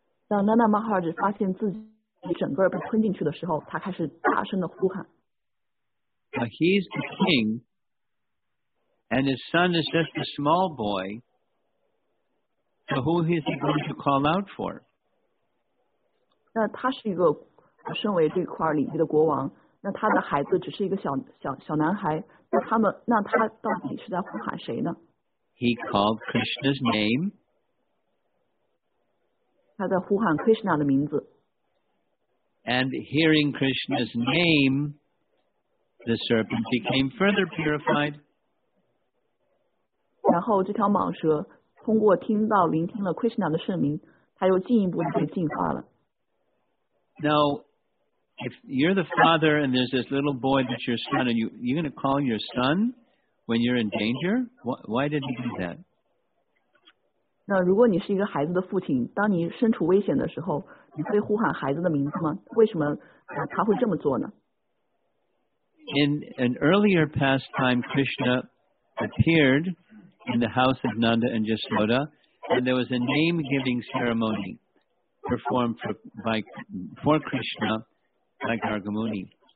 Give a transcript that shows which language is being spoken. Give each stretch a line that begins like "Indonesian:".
Chinese: 当 Nanda Maharaj 发现自己整个被吞进去的时候，他开始大声的呼喊。
English: Now he's the king, and his son is just a small boy. So who is he going to call out for?
Chinese: 那他是一个身为这块领地的国王，那他的孩子只是一个小男孩，那他到底是在呼喊谁呢
English: ？He called Krishna's name.
Chinese: 他在呼喊 Krishna 的名字。
English: And hearing Krishna's name, the serpent became further purified.
Chinese: 然后这条蟒蛇通过听到聆听了 Krishna 的圣名，它又进一步的被净化了。
English: Now, if you're the father and there's this little boy that's your son, and you're going to call your son when you're in danger, why did he do that?
Chinese: 那如果你是一个孩子的父亲，当你身处危险的时候，你会呼喊孩子的名字吗？为什么啊他会这么做呢？
English: In an earlier pastime, Krishna appeared in the house of Nanda and Yashoda, and there was a name-giving ceremony performed for Krishna by Gargamuni.